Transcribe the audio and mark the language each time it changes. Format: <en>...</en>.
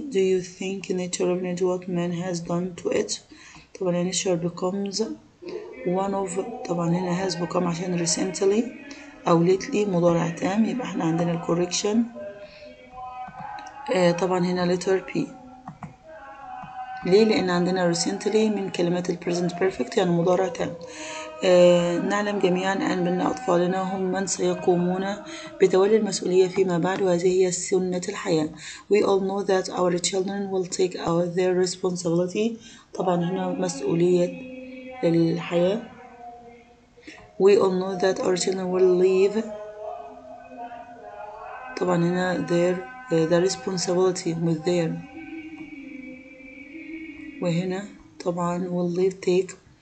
<en>Do you think nature revenge what man has done to it?</en> <ar>طبعا</ar> <en>nature becomes one of</en> <ar>طبعا هنا</ar> <en>has become</en> <ar>عشان</ar> <en>recently</en> <ar>أو</ar> <en>lately</en> <ar>مضارع تام يبقى احنا عندنا ال</ar> <en>correction</en> <ar>طبعا هنا</ar> <en>letter P.</en> <ar>ليه؟ لأن عندنا recently من كلمات ال present perfect يعني مضارع تام. نعلم جميعا أن أطفالنا هم من سيقومون بتولي المسؤولية فيما بعد وهذه هي سنة الحياة.</ar> <en>We all know that our children will take our their responsibility</en> <ar>طبعا هنا مسؤولية الحياة.</ar> <en>We all know that our children will leave</en> <ar>طبعا هنا</ar> <en>their the responsibility with them</en> <ar>وهنا طبعا</ar> <en>will leave take.</en>